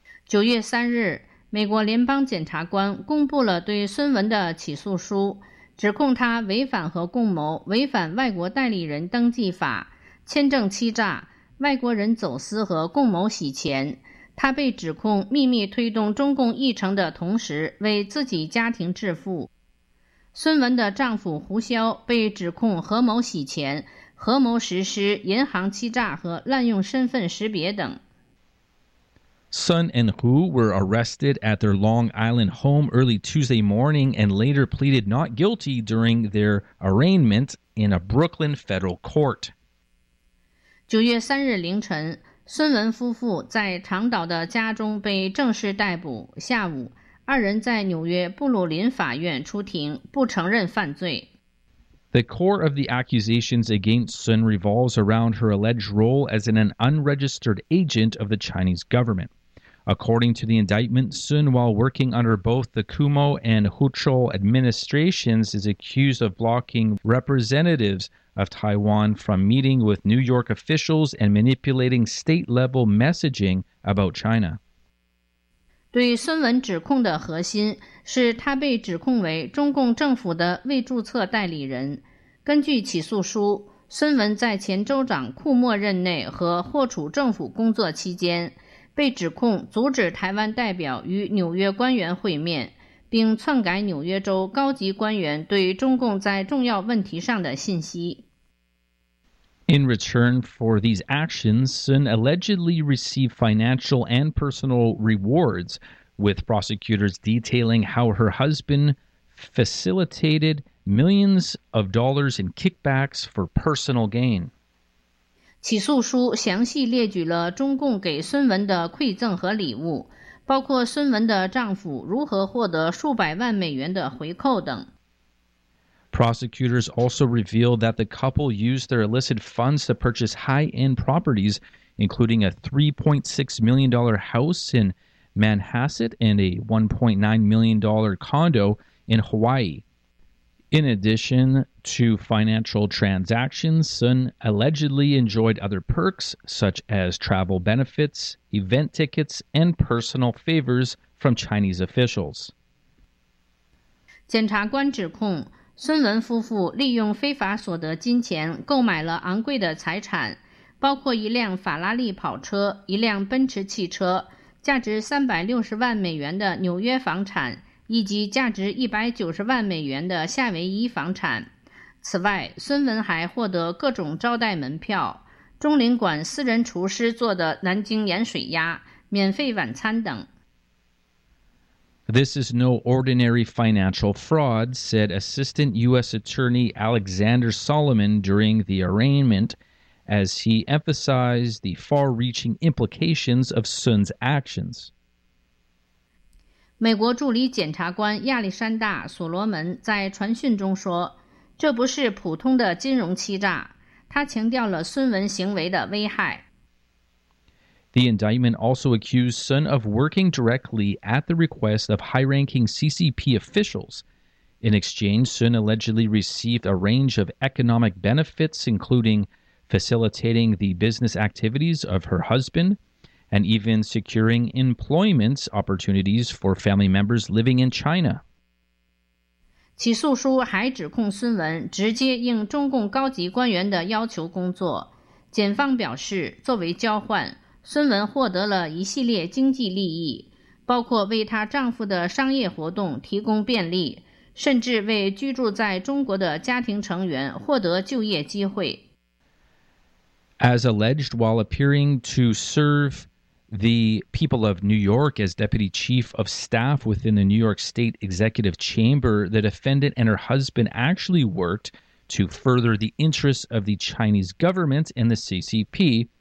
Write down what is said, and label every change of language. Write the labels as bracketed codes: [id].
[zh] 9月3日，美国联邦检察官公布了对孙文的起诉书，指控他违反和共谋，违反外国代理人登记法，签证欺诈，外国人走私和共谋洗钱。他被指控秘密推动中共议程的同时为自己家庭致富。孙文的丈夫胡潇被指控合谋洗钱、合谋实施银行欺诈和滥用身份识别等。 [en] Sun and Hu were arrested at their Long Island home early Tuesday morning and later pleaded not guilty during their arraignment in a Brooklyn federal court. [zh] 9月3日凌晨，孙文夫妇在长岛的家中被正式逮捕。下午，二人在纽约布鲁林法院出庭，不承认犯罪。 [en] The core of the accusations against Sun revolves around her alleged role as an unregistered agent of the Chinese government. According to the indictment, Sun, while working under both the Kumo and Huchul administrations, is accused of blocking representatives of Taiwan from meeting with New York officials and manipulating state-level messaging about China. [zh] 对孙文指控的核心是他被指控为中共政府的未注册代理人。根据起诉书，孙文在前州长库莫任内和霍楚政府工作期间，被指控阻止台湾代表与纽约官员会面，并篡改纽约州高级官员对中共在重要问题上的信息。 [en] In return for these actions, Sun allegedly received financial and personal rewards, with prosecutors detailing how her husband facilitated millions of dollars in kickbacks for personal gain. [zh] 起诉书详细列举了中共给孙文的馈赠和礼物，包括孙文的丈夫如何获得数百万美元的回扣等。 [en] Prosecutors also revealed that the couple used their illicit funds to purchase high-end properties, including a $3.6 million house in Manhasset and a $1.9 million condo in Hawaii. In addition to financial transactions, Sun allegedly enjoyed other perks such as travel benefits, event tickets, and personal favors from Chinese officials. [zh] 检察官指控孙文夫妇利用非法所得金钱购买了昂贵的财产，包括一辆法拉利跑车、一辆奔驰汽车、价值360万美元的纽约房产，以及价值190万美元的夏威夷房产。此外，孙文还获得各种招待门票、中领馆私人厨师做的南京盐水鸭、免费晚餐等。 [en] This is no ordinary financial fraud, said Assistant U.S. Attorney Alexander Solomon during the arraignment, as he emphasized the far-reaching implications of Sun's actions. [zh] 美国助理检察官亚历山大·所罗门在传讯中说，这不是普通的金融欺诈，他强调了孙文行为的危害。 [en] The indictment also accused Sun of working directly at the request of high-ranking CCP officials. In exchange, Sun allegedly received a range of economic benefits, including facilitating the business activities of her husband and even securing employment opportunities for family members living in China. [zh] 起诉书还指控孙文直接应中共高级官员的要求工作。检方表示，作为交换，孙文获得了一系列经济利益，包括为她丈夫的商业活动提供便利，甚至为居住在中国的家庭成员获得就业机会。 [en] As alleged, while appearing to serve the people of New York as deputy chief of staff within the New York State Executive Chamber, the defendant and her husband actually worked to further the interests of the Chinese government and the CCP.